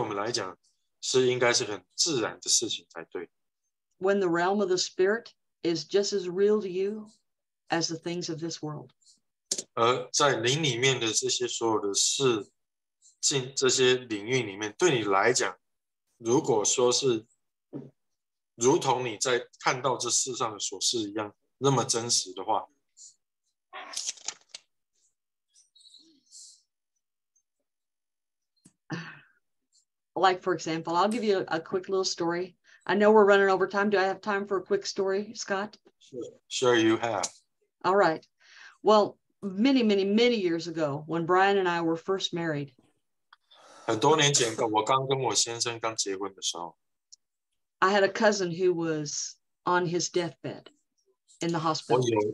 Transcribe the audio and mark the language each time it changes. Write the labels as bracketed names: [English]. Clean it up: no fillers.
[Chinese] 当如果我们很能够在超自然的领域里面来运行、来走动、行走，应该对我们来讲是应该是很自然的事情才对。 [English] When the realm of the spirit is just as real to you as the things of this world. [Chinese] 而在灵里面的这些所有的事，进这些领域里面，对你来讲，如果说是如同你在看到这世上的琐事一样那么真实的话 [English] ，Like for example, I'll give you a quick little story. I know we're running over time. Do I have time for a quick story, Scott? Sure, you have. All right. Well. Many, many, many years ago, when Brian and I were first married. [Chinese] 很多年前，我刚跟我先生刚结婚的时候。 [English] I had a cousin who was on his deathbed in the hospital.